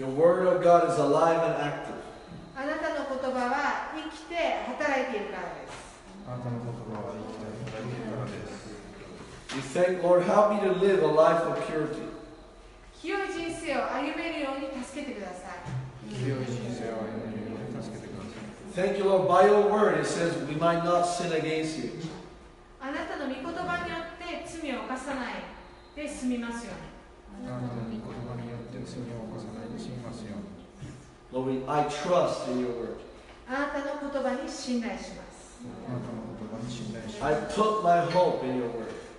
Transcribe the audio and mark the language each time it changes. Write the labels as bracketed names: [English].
[English] Your word of God is alive and active. [Japanese] あなたの言葉は生きて働いているからです。あなたの言葉は生きて働いているからです。 [English] We thank you, Lord. Help me to live a life of purity. [Japanese] 清い人生を歩めるように助けてください。清い人生を歩めるように助けてください。 [English] Thank you, Lord. By your word, it says we might not sin against you. [Japanese] あなたの御言葉によって罪を犯さないで済みますように。あなたの御言葉によって罪を犯さないで済みますように。 [English] Lord, I trust in your word. [Japanese] あなたの言葉に信頼します。あなたの言葉に信頼します [English] 。 I put my hope in your word.